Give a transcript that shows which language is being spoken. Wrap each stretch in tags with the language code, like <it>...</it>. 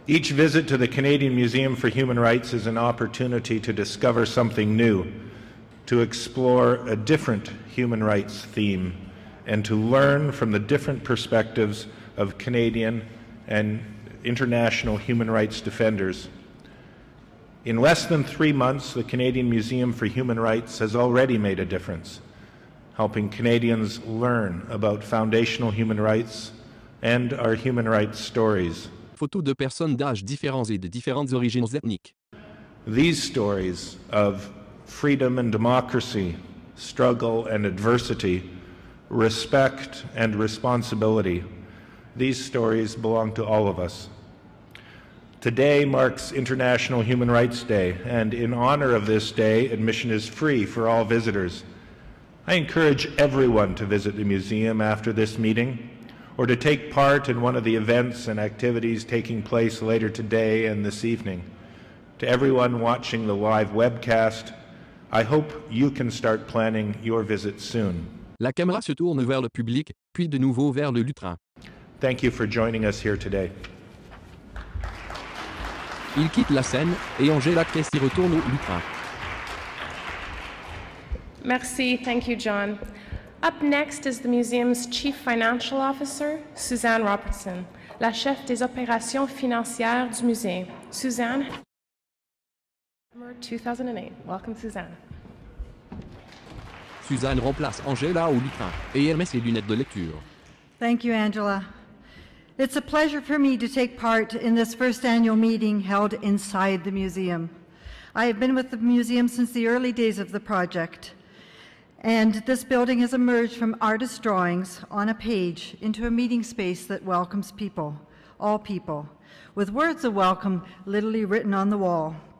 <en>Each visit to the Canadian Museum for Human Rights is an opportunity to discover something new, to explore a different human rights theme, and to learn from the different perspectives of Canadian and international human rights defenders. In less than 3 months, the Canadian Museum for Human Rights has already made a difference, helping Canadians learn about foundational human rights and our human rights stories.</en> <fr>Photos de personnes d'âge différents et de différentes origines ethniques.</fr> <en>These stories of freedom and democracy, struggle and adversity, respect and responsibility, these stories belong to all of us. Today marks International Human Rights Day, and in honor of this day, admission is free for all visitors. I encourage everyone to visit the museum after this meeting, or to take part in one of the events and activities taking place later today and this evening. To everyone watching the live webcast, I hope you can start planning your visit soon.</en> <fr>La caméra se tourne vers le public, puis de nouveau vers le lutrin.</fr> <en>Thank you for joining us here today.</en> <fr>Il quitte la scène et Angela Cressy retourne au lutrin. Merci,</fr> <en>thank you, John. Up next is the museum's chief financial officer, Suzanne Robertson,</en> <fr>la chef des opérations financières du musée.</fr> <en>Suzanne. 2008. Welcome, Suzanne.</en> <fr>Suzanne remplace Angela au lutrin et elle met ses lunettes de lecture.</fr> <en>Thank you, Angela. It's a pleasure for me to take part in this first annual meeting held inside the museum. I have been with the museum since the early days of the project, and this building has emerged from artist drawings on a page into a meeting space that welcomes people, all people, with words of welcome literally written on the wall.</en>